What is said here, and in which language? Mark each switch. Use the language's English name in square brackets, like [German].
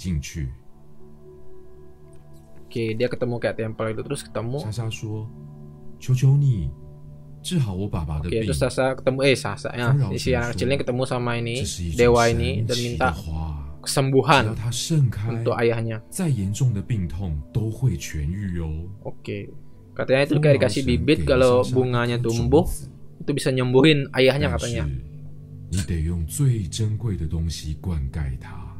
[Chinese] 在森林的正中央，大门就开着，只要是森林的居民，都可以自己进去。Oke, [Indonesian] dia ketemu kayak tempel itu terus ketemu. [Chinese] Sasa 说：“求求你，治好我爸爸的病。” [Indonesian] Oke, terus Sasa ketemu, Sasa ya, si anak kecil ini ketemu sama ini dewa ini dan minta kesembuhan untuk ayahnya. [Chinese] 再严重的病痛都会痊愈哦。Oke, [Indonesian] katanya itu kayak dikasih bibit kalau bunganya tumbuh. Itu bisa nyembuhin ayahnya katanya. [Chinese] 你得用最珍贵的东西灌溉它.